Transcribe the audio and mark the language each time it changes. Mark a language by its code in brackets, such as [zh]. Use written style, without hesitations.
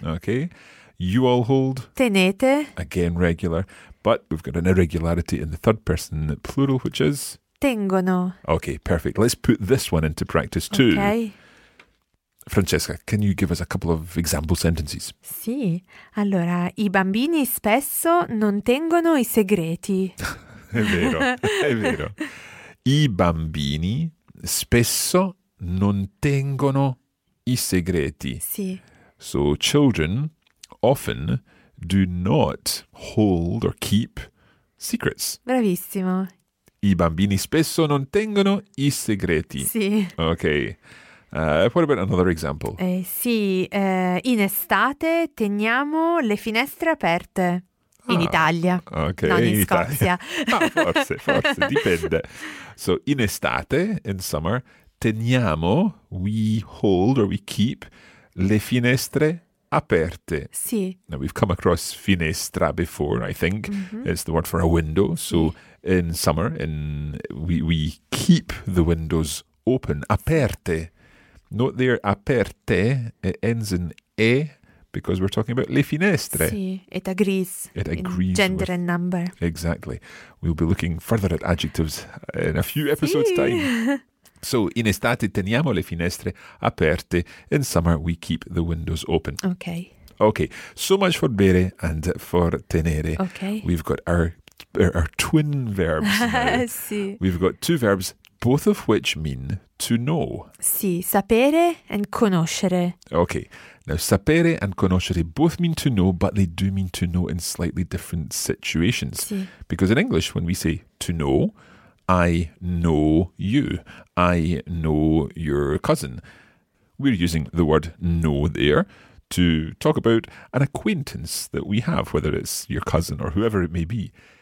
[en] Okay. You all hold. [it] Tenete. [en] Again, regular. But we've got an irregularity in the third person plural, which is? [it] Tengono. [en] Okay, perfect. Let's put this one into practice too. Okay. Francesca, can you give us a couple of example sentences? [it] Sì. Allora, i bambini spesso non tengono i segreti. È vero, è vero. I bambini spesso non tengono i segreti. Sì. [en] So, children often do not hold or keep secrets. [it] Bravissimo. I bambini spesso non tengono i segreti. Sì. [en] Ok. What about another example? [it] In estate teniamo le finestre aperte. Ah, in Italia. Ok, non in Italia. Scozia. forse, dipende. So, in estate, [en] in summer, [it] teniamo, [en] we hold or we keep, [it] le finestre aperte. Sì. [en] Now, we've come across finestra before, I think. Mm-hmm. It's the word for a window. So, [it] sì. [en] in summer, we keep the windows open, aperte. Note there, aperte, it ends in E because we're talking about le finestre. Sì, it agrees. It agrees. Gender and number. Exactly. We'll be looking further at adjectives in a few episodes' [it] sì. [en] time. [it] So in estate teniamo le finestre aperte. [en] In summer we keep the windows open. Okay. Okay. So much for bere and for tenere. Okay. We've got our twin verbs. [it] Sì. [en] We've got two verbs, both of which mean to know. [it] Sì, sapere and conoscere. [en] Okay. Now, sapere and conoscere both mean to know, but they do mean to know in slightly different situations. [it] Sì. [en] Because in English, when we say to know, I know you, I know your cousin, we're using the word know there to talk about an acquaintance that we have, whether it's your cousin or whoever it may be.